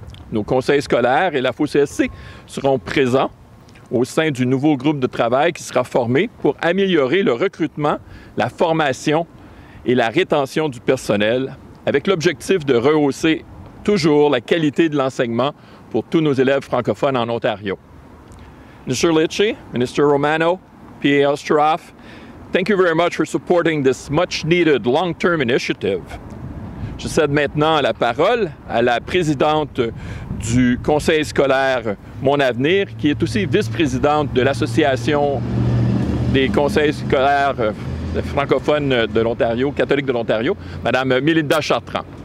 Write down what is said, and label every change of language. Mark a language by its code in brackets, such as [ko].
[fr] Nos conseils scolaires et l'AFO-CSC seront présents au sein du nouveau groupe de travail qui sera formé pour améliorer le recrutement, la formation et la rétention du personnel, avec l'objectif de rehausser toujours la qualité de l'enseignement pour tous nos élèves francophones en Ontario. [en] Mr. Lecce, Mr. Romano, P.A. Osteroff, thank you very much for supporting this much-needed long-term initiative. [fr] Je cède maintenant la parole à la présidente du conseil scolaire Mon Avenir, qui est aussi vice-présidente de l'Association des conseils scolaires francophones de l'Ontario, catholique de l'Ontario, Mme Mélinda Chartrand.